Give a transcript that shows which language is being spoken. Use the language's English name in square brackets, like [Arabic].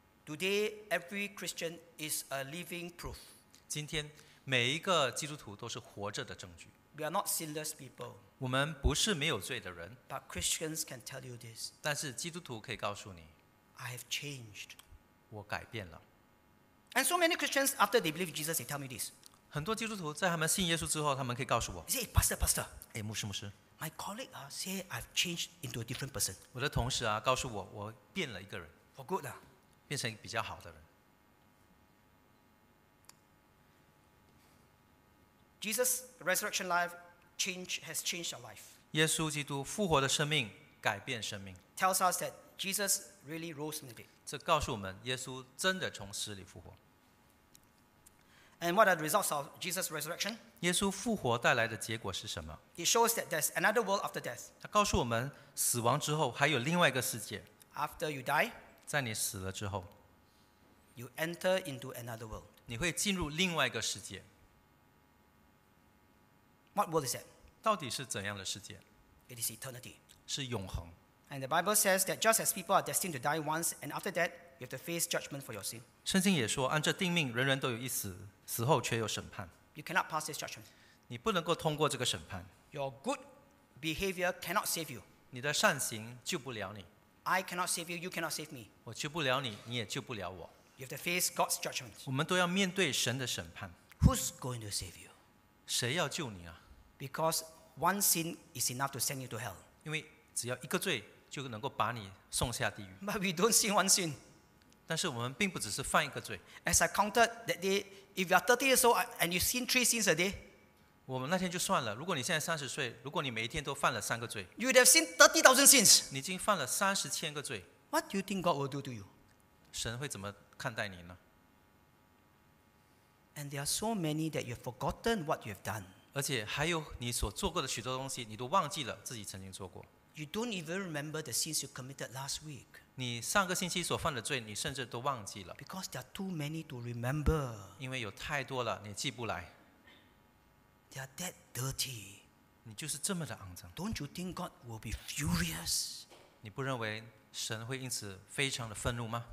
[English] Today, every Christian is a living proof. [Chinese] 今天每一个基督徒都是活着的证据。 [English] We are not sinless people. [Chinese] 我们不是没有罪的人。 [English] But Christians can tell you this. [Chinese] 但是基督徒可以告诉你。 [English] I have changed. [Chinese] 我改变了。 [English] And so many Christians, after they believe in Jesus, they tell me this. [Chinese] 很多基督徒在他们信耶稣之后，他们可以告诉我。 [English] Say, Pastor. [Chinese] 哎，牧师，牧师。 [English] My colleague say I've changed into a different person. [Chinese] 我的同事啊，告诉我，我变了一个人。 [English] For good, huh? [Chinese] 变成比较好的人。 [English] Jesus' resurrection life has changed our life. [Chinese] 耶稣基督复活的生命改变生命。 [English] Tells us that Jesus really rose from the dead. [Chinese] 这告诉我们，耶稣真的从死里复活。 [English] And what are the results of Jesus' resurrection? [Chinese] 耶稣复活带来的结果是什么 [English] ？It shows that there's another world after death. [Chinese] 它告诉我们，死亡之后还有另外一个世界。 [English] After you die. [Chinese] 在你死了之后 [English] you enter into another world. [Chinese] 你会进入另外一个世界。 [English] What world is that? [Chinese] 到底是怎样的世界？ [English] It is eternity. [Chinese] 是永恒。 [English] And the Bible says that just as people are destined to die once, and after that, you have to face judgment for your sin. [Chinese] 圣经也说，按这定命，人人都有一死，死后却有审判。 [English] You cannot pass this judgment. [Chinese] 你不能够通过这个审判。 [English] Your good behavior cannot save you. [Chinese] 你的善行救不了你。 [English] I cannot save you. You cannot save me. [Chinese] 我救不了你，你也救不了我。 [English] You have to face God's judgment. [Chinese] 我们都要面对神的审判。 [English] Who's going to save you? [Chinese] 谁要救你啊？ [English] Because one sin is enough to send you to hell. [Chinese] 因为只要一个罪就能够把你送下地狱。 [English] But we don't sin one sin. [Chinese] 但是我们并不只是犯一个罪。 [English] As I counted that day, if you are 30 years old and you sin 3 sins a day. [Chinese] 我们那天就算了。如果你现在三十岁，如果你每一天都犯了三个罪 [English] ，You have seen 30,000 sins. [Chinese] 你已经犯了三十千个罪。 [English] What do you think God will do to you? [Chinese] 神会怎么看待你呢 [English] ？And there are so many that you have forgotten what you have done. [Chinese] 而且还有你所做过的许多东西，你都忘记了自己曾经做过。 [English] You don't even remember the sins you committed last week. [Chinese] 你上个星期所犯的罪，你甚至都忘记了。 [English] Because there are too many to remember. [Chinese] 因为有太多了，你记不来。 [English] They are that dirty. [Chinese] 你就是这么的肮脏。 [English] Don't you think God will be furious? [Chinese] 你不认为神会因此非常的愤怒吗？